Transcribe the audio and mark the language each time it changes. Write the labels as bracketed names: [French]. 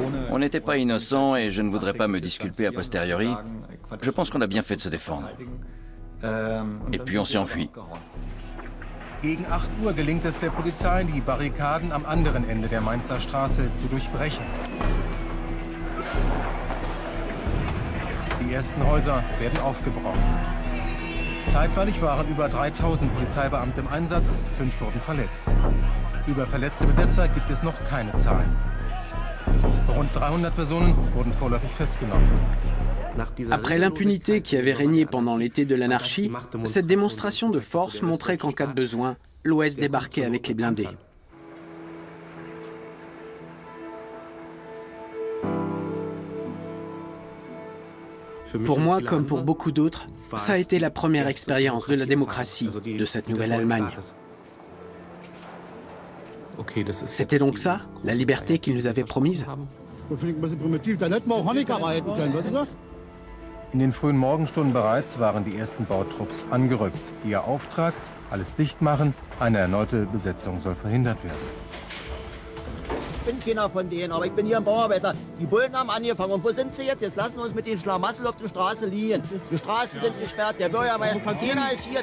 [French] On n'était pas innocents et je ne voudrais pas me disculper a posteriori. Je pense qu'on a bien fait de se défendre. Et puis on s'est enfui. [German] Gegen 8 Uhr gelingt es der Polizei, die Barrikaden am anderen Ende der Mainzer Straße zu durchbrechen. Die ersten Häuser werden aufgebrochen. Zeitweilig waren über 3000 Polizeibeamte im Einsatz, 5 wurden verletzt. Über verletzte Besetzer gibt es noch keine Zahlen. Rund 300 Personen wurden vorläufig festgenommen. [French] Après l'impunité qui avait régné pendant l'été de l'anarchie, cette démonstration de force montrait qu'en cas de besoin, l'Ouest débarquait avec les blindés. Pour moi, comme pour beaucoup d'autres, ça a été la première expérience de la démocratie de cette nouvelle Allemagne. C'était donc ça, la liberté qu'ils nous avaient promise? [German] In den frühen Morgenstunden bereits waren die ersten Bautrupps angerückt. Ihr Auftrag, alles dicht machen, eine erneute Besetzung soll verhindert werden. Ich bin keiner von denen, aber ich bin hier im Bauarbeiter. Die Bullen haben angefangen. Und wo sind sie jetzt? Jetzt lassen wir uns mit den Schlamassel auf der Straße liegen. Die Straßen sind gesperrt, der Bürgermeister, keiner ist hier.